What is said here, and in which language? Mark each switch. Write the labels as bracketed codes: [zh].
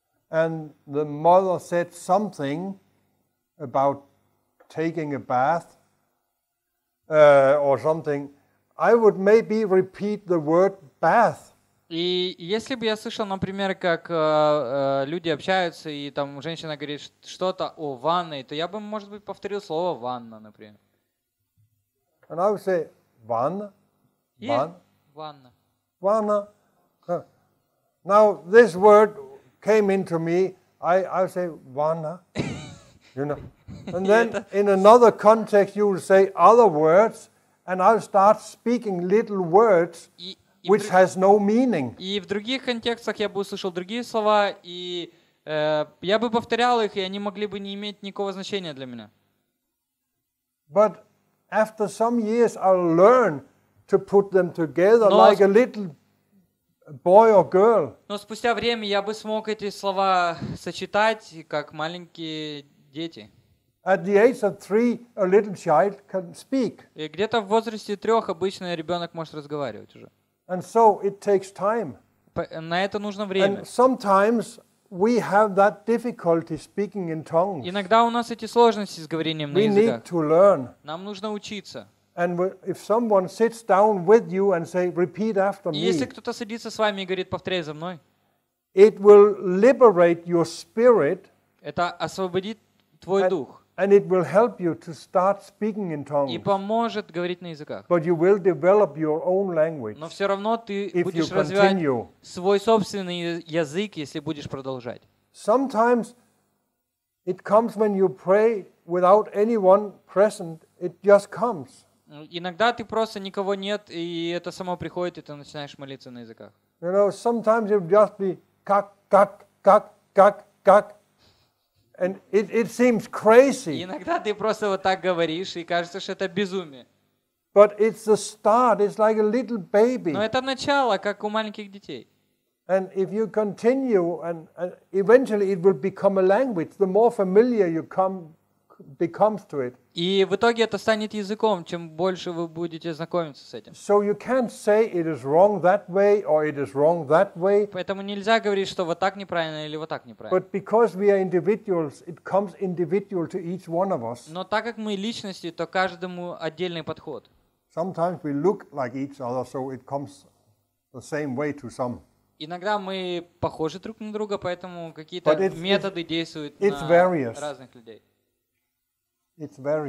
[en] and the mother said something about taking a bath or something, I would maybe repeat the word bath. [ru] И если бы я слышал, например, как люди общаются и там женщина говорит что-то о ванной, то я бы, может быть, повторил слово ванна, например. [en] And I would say [ru] ванна. Ванна. [en] Vana. Now this word came into me. I say vana. You know. And then in another context you will say other words and I'll start speaking little words which has no meaning. [ru] И в других контекстах я бы услышал другие слова и я бы повторял их и они могли бы не иметь никакого значения для меня. [en] But after some years I'll learn to put them together like a little boy or girl. [ru] Но спустя время я бы смог эти слова сочетать как маленькие дети. [en] At the age of three, a little child can speak. [ru] И где-то в возрасте трех обычно ребенок может разговаривать уже. [en] And so it takes time. [ru] На это нужно время. [en] And sometimes we have that difficulty speaking in tongues. [ru] Иногда у нас эти сложности с говорением на языках. [en] We need to learn. [ru] Нам нужно учиться. [en] And if someone sits down with you and say, "Repeat after me." [ru] Если кто-то садится с вами и говорит, повторяй за мной. [en] It will liberate your spirit. [ru] Это освободит твой дух. [en] And it will help you to start speaking in tongues. [ru] И поможет говорить на языках. [en] But you will develop your own language. [ru] Но все равно ты будешь развивать свой собственный язык, если будешь продолжать. [en] Sometimes it comes when you pray without anyone present. It just comes. [ru] Иногда ты просто никого нет, и это само приходит, и ты начинаешь молиться на языках. [en] You know, sometimes it'll just be [ru] как, как, как, как, как. [en] And it seems crazy. [ru] Иногда ты просто вот так говоришь, и кажется, что это безумие. [en] But it's the start, it's like a little baby. [ru] Но это начало, как у маленьких детей. [en] And if you continue, and eventually it will become a language. The more familiar you becomes to it. [ru] И в итоге это станет языком, чем больше вы будете знакомиться с этим. [en] So you can't say it is wrong that way or it is wrong that way. [ru] Поэтому нельзя говорить, что вот так неправильно или вот так неправильно. [en] But because we are individuals, it comes individual to each one of us. [ru] Но так как мы личности, то каждому отдельный подход. [en] Sometimes we look like each other, so it comes the same way to some. [ru] Иногда мы похожи друг на друга, поэтому какие-то методы действуют на [en] various. [ru] Разных людей. [en] It's various.